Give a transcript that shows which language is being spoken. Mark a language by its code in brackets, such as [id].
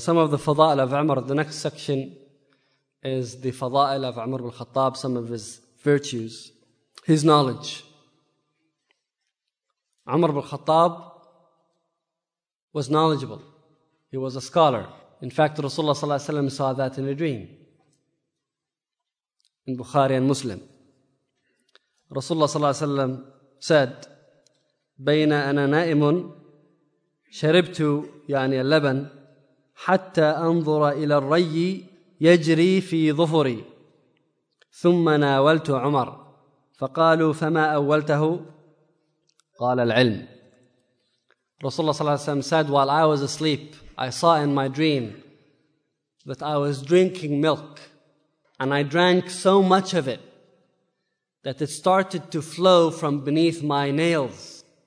[en] Some of the fada'il of Umar, the next section is the fada'il of Umar al-Khattab, some of his virtues, his knowledge. Umar al-Khattab was knowledgeable. He was a scholar. In fact, Rasulullah صلى الله عليه وسلم saw that in a dream, in Bukhari and Muslim. [ar] Rasulullah صلى الله عليه وسلم said, بين أنا نائم شربت يعني اللبن حتى أنظر إلى الري يجري في ظفري ثم ناولت عمر فقالوا فما أولته قال العلم. [en] رسول الله صلى الله عليه وسلم said, while I was asleep, I saw in my dream that I was drinking milk, and I drank so much of it that it started to flow from beneath my nails.